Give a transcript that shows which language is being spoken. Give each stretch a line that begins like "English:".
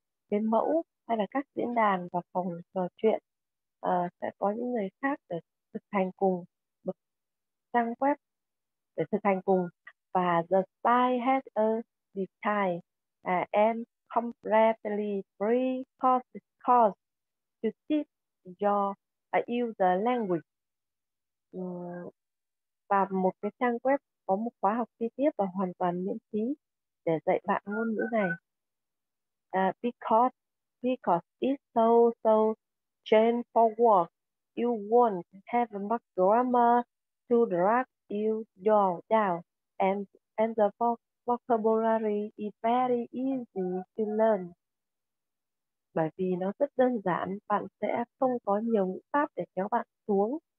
Vietnamese: Cái mẫu hay là các diễn đàn và phòng trò chuyện sẽ có những người khác để thực hành cùng, bậc trang web để thực hành cùng.
English: Và the site has a detailed and completely free course to teach your user language.
Vietnamese: Và một cái trang web có một khóa học chi tiết và hoàn toàn miễn phí để dạy bạn ngôn ngữ này.
English: Because it's so straightforward, you won't have much grammar to drag you down. And the vocabulary is very easy to learn.
Vietnamese: Bởi vì nó rất đơn giản, bạn sẽ không có nhiều ngữ pháp để kéo bạn xuống.